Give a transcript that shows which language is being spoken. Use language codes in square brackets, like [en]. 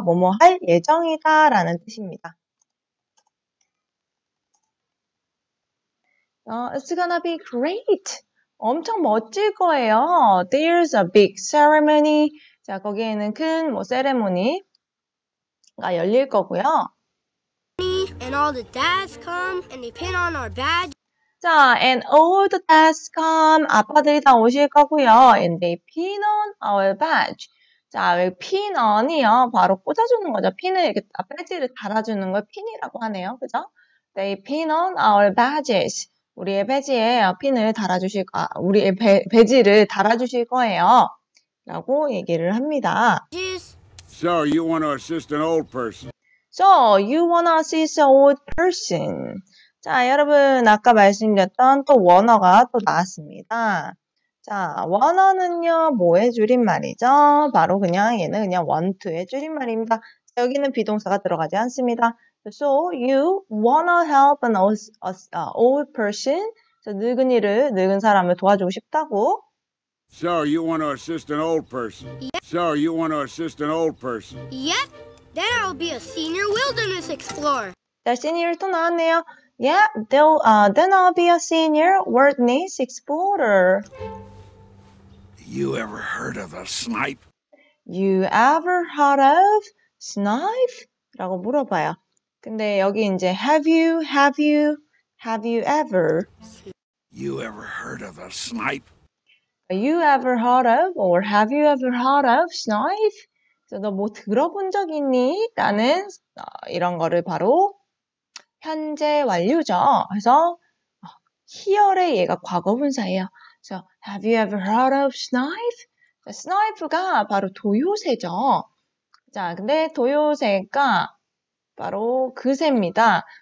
[ko] 뭐뭐 할 예정이다 라는 뜻입니다. [en] It's gonna be great. [ko] 엄청 멋질 거예요. [en] There's a big ceremony. [ko] 자, 거기에는 큰 뭐 세레모니가 열릴 거고요. [en] And all the dads come and they pin on our badge. 자, and all the dads come. [ko] 아빠들이 다 오실 거고요. [en] And they pin on our badge. [ko] 자, 왜 pin on이요? 바로 꽂아주는 거죠. 핀을 이렇게 배지를 달아주는 걸 핀이라고 하네요. 그죠? [en] They pin on our badges. [ko] 우리의 배지에 핀을 달아주실 거, 우리의 배지를 달아주실 거예요. 라고 얘기를 합니다. [en] So you want to assist an old person. So you want to assist an old person. [ko] 자, 여러분, 아까 말씀드렸던 또 원어가 또 나왔습니다. 자, 원어는요, 뭐의 줄임말이죠? 바로 그냥 얘는 그냥 원투의 줄임말입니다. 여기는 비동사가 들어가지 않습니다. [en] So you wanna help an old person? So [ko] 늙은 사람을 도와주고 싶다고? [en] So you want to assist an old person? Yep. So you want to assist an old person? Yep. Then I'll be a senior wilderness explorer. [ko] 자, 시니어 또 나왔네요. [en] Yeah, then I'll be a senior wilderness explorer. You ever heard of a snipe? You ever heard of snipe? [ko] 라고 물어봐요. 근데 여기 이제 [en] have you ever? You ever heard of a snipe? You ever heard of or have you ever heard of snipe? [ko] 너 뭐 들어본 적 있니? 라는 이런 거를 바로 현재 완료죠. 그래서 here의 얘가 과거분사예요. [en] So have you ever heard of snipe? [ko] 자, snipe가 바로 도요새죠. 자, 근데 도요새가 바로 그 새입니다.